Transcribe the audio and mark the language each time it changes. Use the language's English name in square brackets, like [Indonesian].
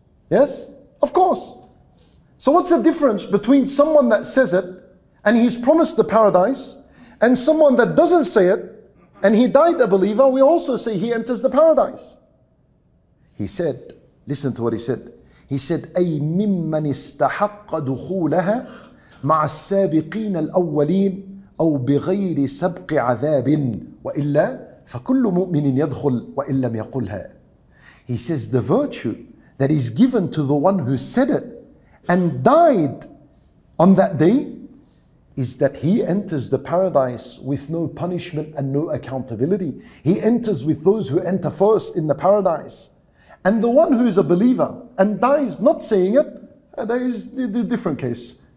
[English] Yes, of course. So what's the difference between someone that says it and he's promised the paradise and someone that doesn't say it and he died a believer? We also say he enters the paradise. He said, listen to what he said. He said, [Arabic] أي ممن استحق دخولها مع السابقين الأولين أو بغير سبق عذاب وإلا فكل مؤمن يدخل وإن لم يقلها. [English] He says, the virtue that is given to the one who said it and died on that day is that he enters the paradise with no punishment and no accountability. He enters with those who enter first in the paradise. And the one who is a believer and dies not saying it, that is a different case.